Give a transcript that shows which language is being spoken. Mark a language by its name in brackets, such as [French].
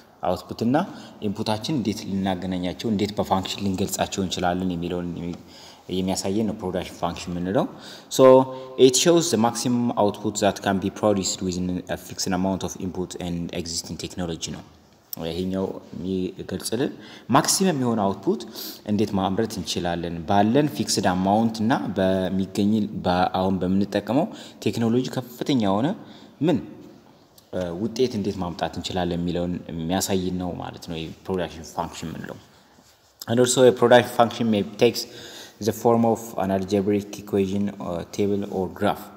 [Amharic] Output እና inputአችን እንዴት ልናገናኛቸው እንዴት በfunction ልንገልጻቸው እንችላለን የሚለውን የሚያሳየን ነው production function ምንድነው? [English] So it shows the maximum output that can be produced within a fixed amount of input and existing technology. [Amharic] No, ይሄኛው የሚገልጽልን maximum የሆነ output እንዴት ማምረት እንችላለን ባለን fixed amount እና በሚገኝ በአሁን በምንጠቀመው ቴክኖሎጂ ከፍተኛ የሆነ ምን ውጤት እንዴት ማምጣት እንችላለን የሚለውን የሚያሳየን ነው ማለት ነው production function ምንድነው? [English] And also a production function may takes is a form of an algebraic equation or table or graph.